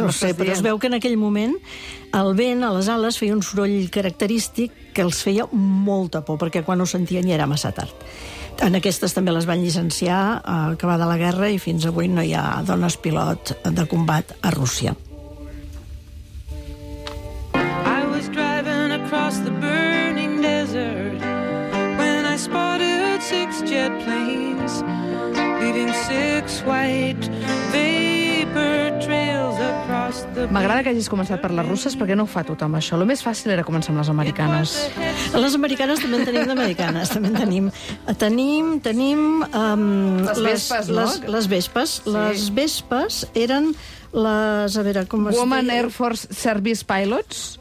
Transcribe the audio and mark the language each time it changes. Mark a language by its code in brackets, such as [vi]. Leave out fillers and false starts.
[ca] Però es veu que en aquell moment el vent a les ales feia un soroll característic que els feia molta por, perquè quan ho sentien ja era massa tard. En aquestes també les van llicenciar a acabada la guerra i fins avui no hi ha dones pilot de combat a Rússia. [en] I was driving across the burning desert when I spotted six jet planes leaving six white vapor trails across the... [ca] M'agrada que hagis començat per les russes, perquè no ho fa tothom, això. El més fàcil era començar amb les americanes. Les americanes també en tenim d'americanes. També en tenim. Tenim Les vespes, no? Les vespes. Sí. Les vespes eren... Les, a veure, com [en] Woman Air Force Service Pilots.